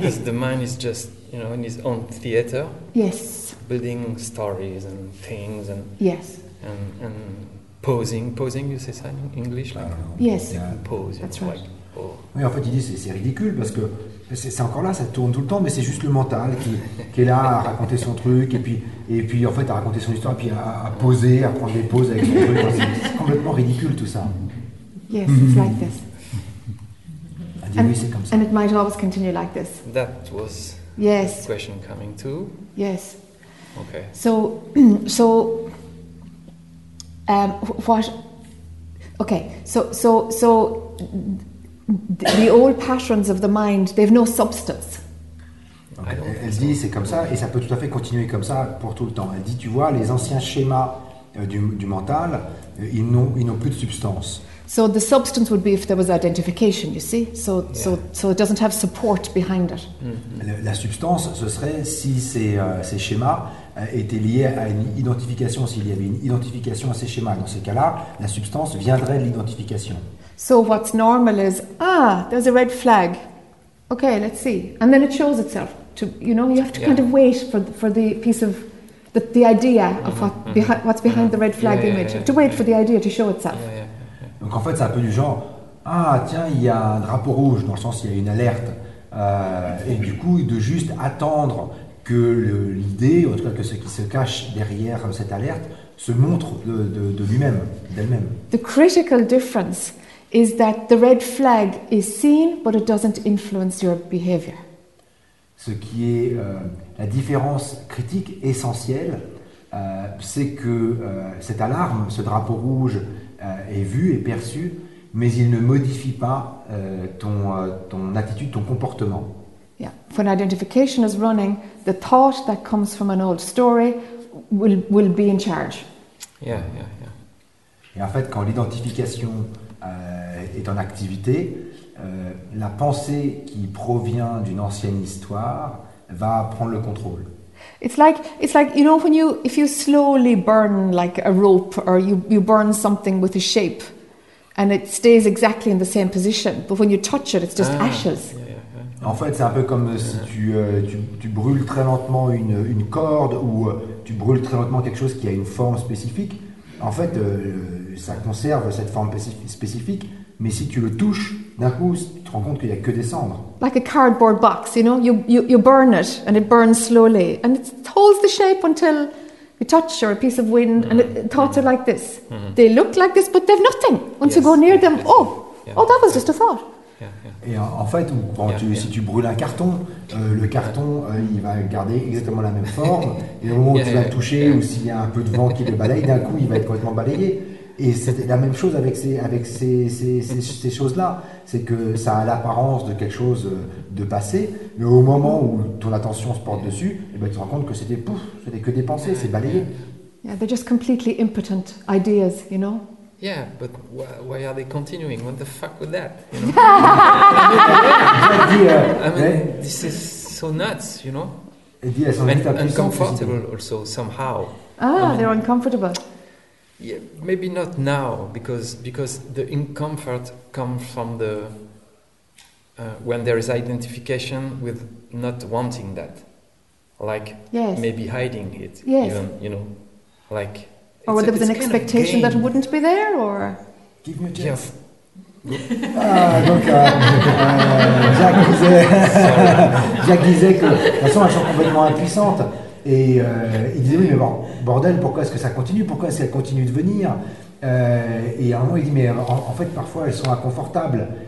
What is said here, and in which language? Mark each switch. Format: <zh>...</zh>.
<en>Because the mind is just, you know, in his own theater. Yes. Building stories and things and yes. And posing, you say that in English, like yes. Pose. That's right. Like, oh.</en> <fr>Oui, en fait, il dit c'est ridicule parce que c'est encore là, ça tourne tout le temps, mais c'est juste le mental qui est là à raconter son truc et puis en fait à raconter son histoire et puis à poser, à prendre des poses avec son truc. C'est complètement ridicule tout ça.</fr> <en>Yes, it's like this.</en> <fr>And, oui, c'est comme ça.</fr> <en>And it might always continue like this. That was yes. the question coming too. Yes. Okay. So the old patterns of the mind, they've no substance. Okay.</en> <fr>Elle dit c'est comme ça et ça peut tout à fait continuer comme ça pour tout le temps. Elle dit tu vois les anciens schémas du mental, ils n'ont plus de substance.</fr> <en>So the substance would be if there was identification, you see. So yeah. so it doesn't have support behind it. Mm-hmm.</en> <fr>La substance ce serait si ces schémas étaient liés à une identification, s'il y avait une identification à ces schémas. Dans ces cas-là, la substance viendrait de l'identification.</fr> <en>So what's normal is there's a red flag. Okay, let's see. And then it shows itself to you know, you have to yeah. kind of wait for the piece of the idea mm-hmm. of what mm-hmm. what's behind mm-hmm. the red flag yeah, image. Yeah, yeah, to wait yeah. for the idea to show itself. Yeah, yeah.</en> <fr>Donc en fait, c'est un peu du genre, ah tiens, il y a un drapeau rouge, dans le sens il y a une alerte. Et du coup, de juste attendre que l'idée, en tout cas que ce qui se cache derrière cette alerte, se montre de lui-même, d'elle-même.</fr> <en>The critical difference is that the red flag is seen, but it doesn't influence your behavior.</en> <fr>Ce qui est la différence critique essentielle, c'est que cette alarme, ce drapeau rouge, est vu et perçu, mais il ne modifie pas ton attitude, ton comportement.</fr> <en>Yeah. When identification is running, the thought that comes from an old story will be in charge. Yeah, yeah, yeah.</en> <fr>Et en fait, quand l'identification est en activité, la pensée qui provient d'une ancienne histoire va prendre le contrôle.</fr> <en>It's like you know when if you slowly burn like a rope or you burn something with a shape and it stays exactly in the same position but when you touch it it's just ashes. Yeah, yeah, yeah.</en> <fr>En fait c'est un peu comme si tu brûles très lentement une corde ou tu brûles très lentement quelque chose qui a une forme spécifique. En fait ça conserve cette forme spécifique mais si tu le touches d'un coup tu te rends compte qu'il n'y a que des cendres.</fr> <en>Like a cardboard box, you know, you burn it and it burns slowly and it holds the shape until you touch or a piece of wind mm-hmm. and it thoughts mm-hmm. are like this. Mm-hmm. They look like this but they've nothing. Once yes. you go near yes. them, yes. Oh, yeah. oh, that was just a thought. Yeah. Yeah.</en> <fr>Et en fait, quand</fr> <en>yeah.</en> <fr>Tu,</fr> <en>yeah.</en> <fr>si tu brûles un carton, le carton, il va garder exactement la même forme et au moment où</fr> <en>yeah,</en> <fr>tu</fr> <en>yeah.</en> <fr>vas le toucher</fr> <en>yeah.</en> <fr>ou s'il y a un peu de vent qui le balaye, d'un coup, il va être complètement balayé. Et c'est la même chose avec ces choses-là. C'est que ça a l'apparence de quelque chose de passé, mais au moment où ton attention se porte dessus, et bien tu te rends compte que c'était que des pensées, c'est balayé.</fr> <en>Yeah, they're just completely impotent ideas, you know? Yeah, but why are they continuing? What the fuck with that? You know? I mean, this is so nuts, you know?</en> <fr>Et dit, elles sont</fr> <en>uncomfortable also, somehow. Ah, I mean, they're uncomfortable. Yeah, maybe not now, because the discomfort comes from the when there is identification with not wanting that, like yes. maybe hiding it, yes. even, you know, like. Or there was an expectation that it wouldn't be there, or. Give me a chance. Yes.</en> <fr>Jacques disait, Jacques disait que de toute façon elles sont complètement impuissantes. Et il disait oui mais bon, bordel, pourquoi est-ce que ça continue? Pourquoi est-ce qu'elles continuent de venir? Et à un moment il dit mais en fait parfois elles sont inconfortables.</fr>